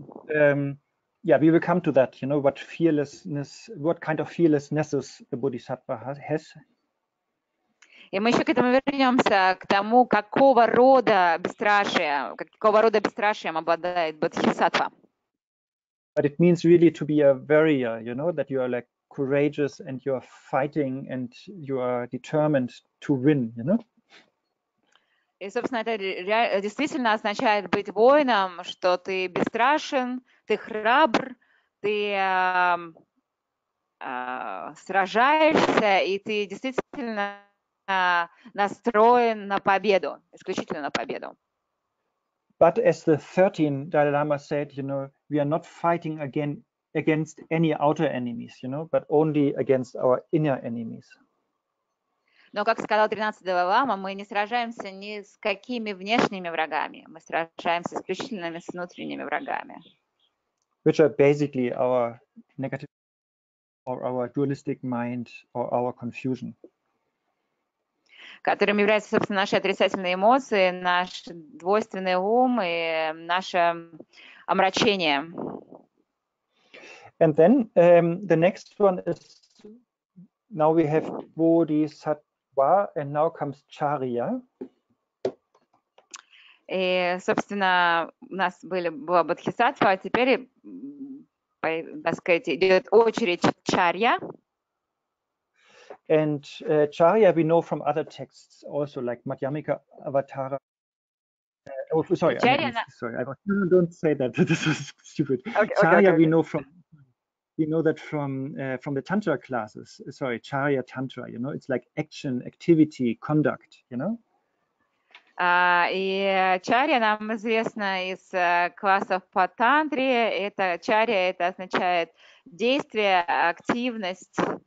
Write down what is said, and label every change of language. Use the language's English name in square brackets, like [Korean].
[English] And yeah, we will come to that, you know, what fearlessness, what kind of fearlessness the bodhisattva has. [Russian] И мы еще к этому вернемся, к тому, какого рода бесстрашие, какого рода бесстрашием обладает бодхисаттва. [English] But it means really to be a warrior, you know, that you are like courageous and you are fighting and you are determined to win, you know. [Russian] И, собственно, это действительно означает быть воином, что ты бесстрашен, ты храбр, ты сражаешься, и ты действительно настроен на победу, исключительно на победу. [English] But as the 13th Dalai Lama said, you know, we are not fighting against any outer enemies, you know, but only against our inner enemies. [Russian] Но, как сказал 13 Далай Лама, мы не сражаемся ни с какими внешними врагами, мы сражаемся исключительно с внутренними врагами. [English] Which are basically our negative or our dualistic mind or our confusion. [Russian] Которым являются, собственно, наши отрицательные эмоции, наш двойственный ум и наше омрачение. [English] And then the next one is now we have bodhisattva and now comes charya. [Russian] И, собственно, у нас была бодхисаттва, а теперь, так сказать, идет очередь чарья. [English] And Charya, we know from other texts also, like Madhyamika Avatara. Oh, sorry, Charya, don't say that. This is stupid. Okay, Charya, okay. we know that from the Tantra classes. Sorry, Charya Tantra. You know, it's like action, activity, conduct. You know. [Russian] И Charya нам известно из классов по тантре. Это Charya, это означает действие, активность.